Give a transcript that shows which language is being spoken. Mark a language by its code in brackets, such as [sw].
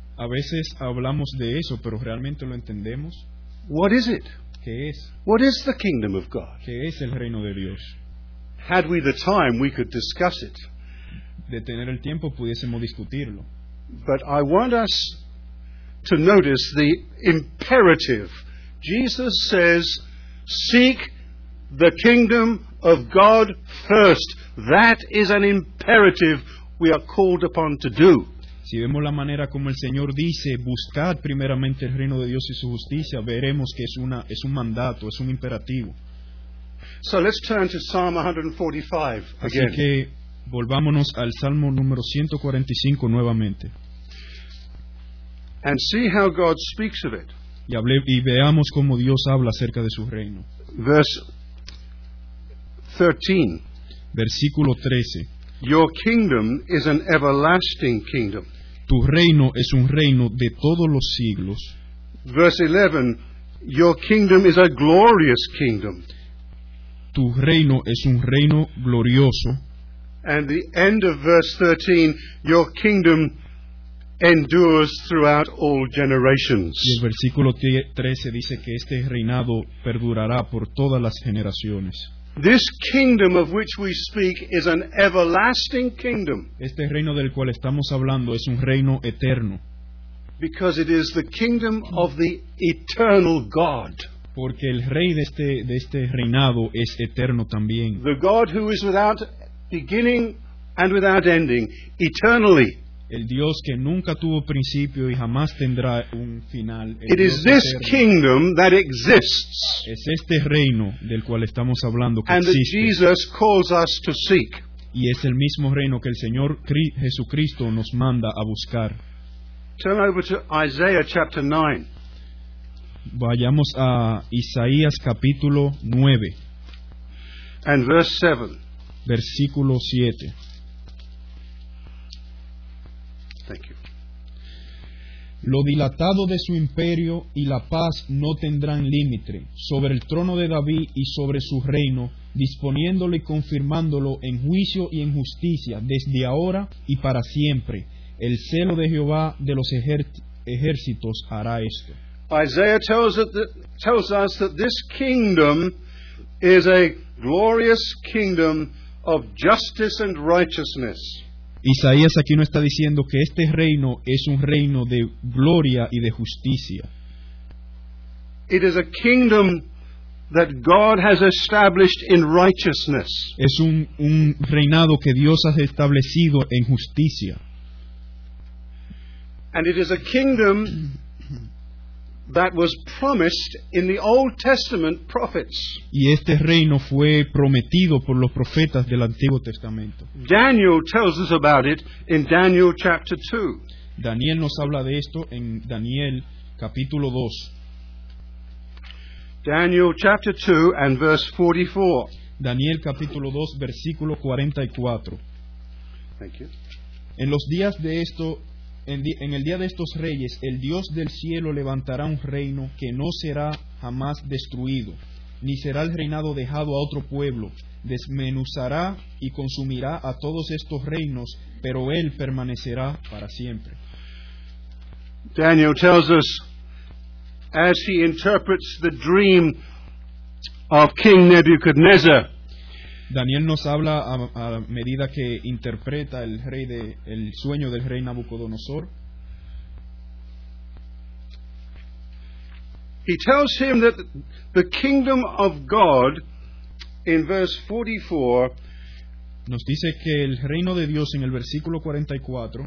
[es] A veces hablamos de eso, pero ¿realmente lo entendemos? [en] What is it? [es] ¿Qué es? [en] What is the kingdom of God? [es] ¿Qué es el reino de Dios? [en] Had we the time, we could discuss it. [es] De tener el tiempo, pudiésemos discutirlo. [en] But I want us to notice the imperative. Jesus says, seek the kingdom of God first. That is an imperative we are called upon to do. [es] Si vemos la manera como el Señor dice, buscad primeramente el reino de Dios y su justicia, veremos que es un mandato, es un imperativo. [en] So let's turn to Psalm 145 again. [es] Así que volvámonos al Salmo número 145 nuevamente. [en] And see how God speaks of it. [es] Y veamos cómo Dios habla acerca de su reino. [en] Verse 13. [es] Versículo 13. [en] Your kingdom is an everlasting kingdom. [es] Tu reino es un reino de todos los siglos. [en] Verse 11, your kingdom is a glorious kingdom. [es] Tu reino es un reino glorioso. [en] And the end of verse 13, your kingdom endures throughout all generations. [es] Y el versículo 13 dice que este reinado perdurará por todas las generaciones. [en] This kingdom of which we speak is an everlasting kingdom. [es] Este reino del cual estamos hablando es un reino eterno. [en] Because it is the kingdom of the eternal God. [es] Porque el rey de este reinado es eterno también. [en] The God who is without beginning and without ending, eternally. [es] El Dios que nunca tuvo principio y jamás tendrá un final. [en] It is this kingdom that exists. [es] Es este reino del cual estamos hablando que existe. [en] And Jesus calls us to seek. [es] Y es el mismo reino que el Señor Jesucristo nos manda a buscar. [en] Turn over to Isaiah chapter 9. [es] Vayamos a Isaías capítulo 9. [en] And verse 7. [es] Versículo 7. [en] Thank you. [es] Lo dilatado de su imperio y la paz no tendrán límite sobre el trono de David y sobre su reino, disponiéndolo y confirmándolo en juicio y en justicia desde ahora y para siempre. El celo de Jehová de los ejércitos hará esto. [en] Isaiah tells us that this kingdom is a glorious kingdom of justice and righteousness. [es] Isaías aquí no está diciendo que este reino es un reino de gloria y de justicia. [en] It is a kingdom that God has established in righteousness. [es] Es un reinado que Dios ha establecido en justicia. [en] And it is a kingdom that was promised in the Old Testament prophets. [es] Y este reino fue prometido por los profetas del Antiguo Testamento. [en] Daniel tells us about it in Daniel chapter 2. [es] Daniel nos habla de esto en Daniel capítulo 2. [en] Daniel chapter 2 and verse 44. [es] Daniel capítulo 2 versículo 44. [en] Thank you. [es] En los días de esto, en el día de estos reyes, el Dios del cielo levantará un reino que no será jamás destruido, ni será el reinado dejado a otro pueblo. Desmenuzará y consumirá a todos estos reinos, pero él permanecerá para siempre. [en] Daniel tells us, as he interprets the dream of King Nebuchadnezzar, [es] Daniel nos habla a medida que interpreta el sueño del rey Nabucodonosor. [en] He tells him that the kingdom of God, in verse 44, [es] Nos dice que el reino de Dios en el versículo 44